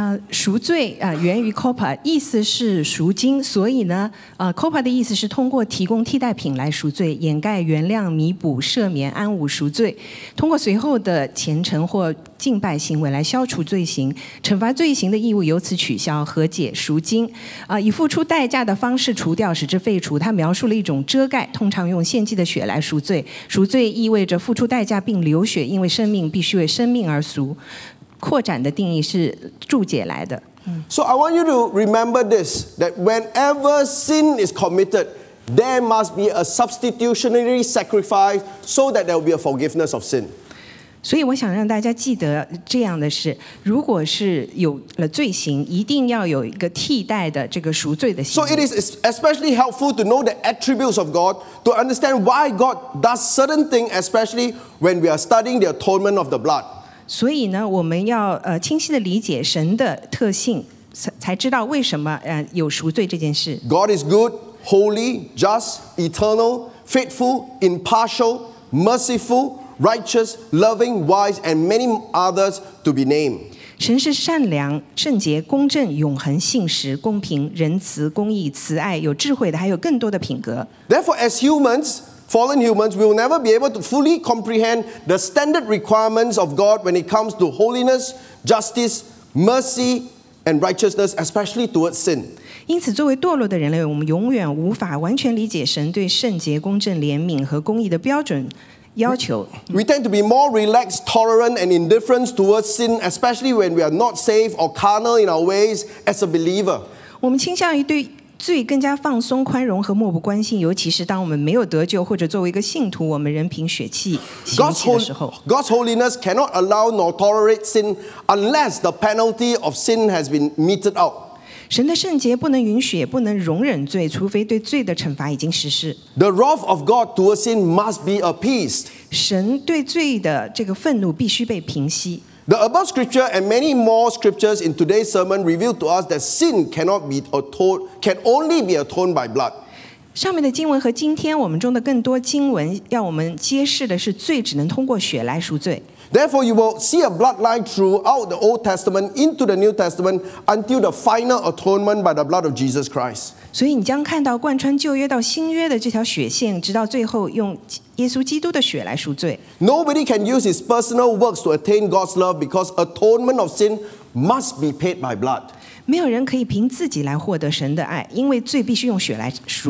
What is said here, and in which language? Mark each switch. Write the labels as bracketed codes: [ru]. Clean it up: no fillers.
[zh] 赎罪源于 copa， 意思是赎金，所以呢，copa 的意思是通过提供替代品来赎罪，掩盖、原谅、弥补、赦免、安抚、赎罪，通过随后的虔诚或敬拜行为来消除罪行，惩罚罪行的义务由此取消，和解、赎金，以付出代价的方式除掉，使之废除。它描述了一种遮盖，通常用献祭的血来赎罪。赎罪意味着付出代价并流血，因为生命必须为生命而赎。扩展的定义是注解来的。 [en] So I want you to remember this: that whenever sin is committed, there must be a substitutionary sacrifice, so that there will be a forgiveness of sin. [zh] 所以我想让大家记得这样的是：如果是有了罪行，一定要有一个替代的这个赎罪的行为。 [en] So it is especially helpful to know the attributes of God to understand why God does certain things, especially when we are studying the atonement of the blood. [zh] 所以呢，我们要清晰地理解神的特性，才知道为什么有赎罪这件事。 [en] God is good, holy, just, eternal, faithful, impartial, merciful, righteous, loving, wise, and many others to be named. [zh] 神是善良、圣洁、公正、永恒、信实、公平、仁慈、公义、慈爱、有智慧的，还有更多的品格。 [en] Therefore, as humans. Fallen humans will never be able to fully comprehend the standard requirements of God when it comes to holiness, justice, mercy, and righteousness, especially towards sin. [zh] 因此，作为堕落的人类，我们永远无法完全理解神对圣洁、公正、怜悯和公义的标准要求。 [en] We tend to be more relaxed, tolerant, and indifferent towards sin, especially when we are not saved or carnal in our ways as a believer. [zh] 我们倾向于对罪更加放松、宽容和漠不关心，尤其是当我们没有得救或者作为一个信徒，我们仍凭血气行义的时候。 [en] God's holiness cannot allow nor tolerate sin unless the penalty of sin has been meted out. [zh] 神的圣洁不能允许、不能容忍罪，除非对罪的惩罚已经实施。 [en] The wrath of God towards sin must be appeased. [zh] 神对罪的这个愤怒必须被平息。 [en] The above scripture and many more scriptures in today's sermon reveal to us that sin cannot be atoned, can only be atoned by blood. [zh] 上面的经文和今天我们中的更多经文要我们揭示的是罪只能通过血来赎罪。 [en] Therefore, you will see a bloodline throughout the Old Testament into the New Testament until the final atonement by the blood of Jesus Christ. [zh] 所以你将看到贯穿旧约到新约的这条血线，直到最后用耶稣基督的血来赎罪。 [en] Nobody can use his personal works to attain God's love because atonement of sin must be paid by blood. [zh] 没有人可以凭自己来获得神的爱，因为罪必须用血来赎。